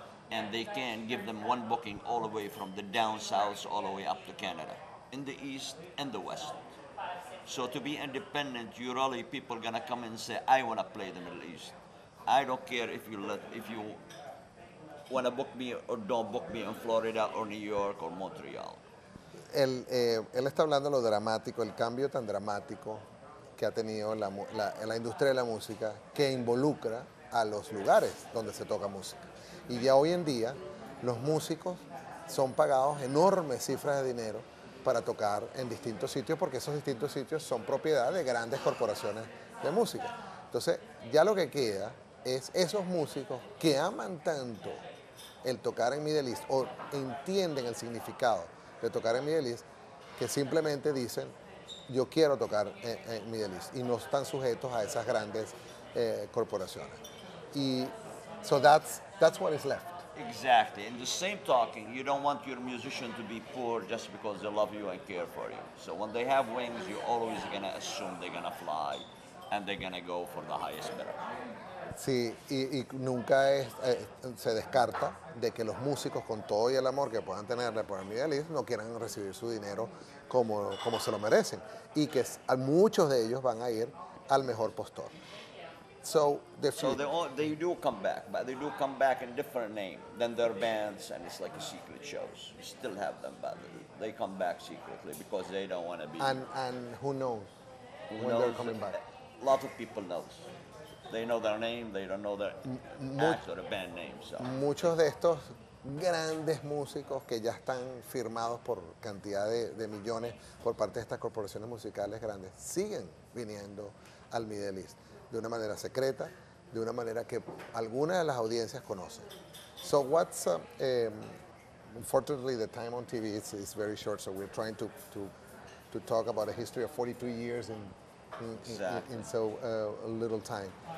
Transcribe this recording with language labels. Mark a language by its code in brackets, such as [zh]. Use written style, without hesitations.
[en] And they can give them one booking all the way from the down south all the way up to Canada, in the east and the west. So to be independent, you really, people gonna come and say, I wanna play the Middle East. I don't care if you wanna book me or don't book me in Florida or New York or Montreal. [es] Él está hablando lo dramático, el cambio tan dramático que ha tenido la industria de la música que involucra a los lugares donde se toca música. Y ya hoy en día, los músicos son pagados enormes cifras de dinero para tocar en distintos sitios, porque esos distintos sitios son propiedad de grandes corporaciones de música. Entonces, ya lo que queda es esos músicos que aman tanto el tocar en Middle East o entienden el significado de tocar en Middle East, que simplemente dicen, yo quiero tocar en Middle East, y no están sujetos a esas grandes corporaciones. [en] Y so that's what is left. Exactly. In the same talking, you don't want your musician to be poor just because they love you and care for you. So when they have wings, you're always going to assume they're going to fly and they're going to go for the highest bidder. [es] Sí, y nunca se descarta de que los músicos, con todo y el amor que puedan tenerle por el Middle East, no quieran recibir su dinero como se lo merecen. Y que muchos de ellos van a ir al mejor postor. [en] So they do come back, but they do come back in different name than their bands, and it's like a secret shows. You still have them, but they come back secretly because they don't want to be. And who knows when they're coming back? A lot of people know. They know their name, they don't know their act or the band name. So. [es] Muchos de estos grandes músicos que ya están firmados por cantidad de millones por parte de estas corporaciones musicales grandes siguen viniendo al Middle East. De una manera secreta, de una manera que alguna de las audiencias conoce. [en] So what's, unfortunately the time on TV is very short, so we're trying to talk about a history of 42 years in little time.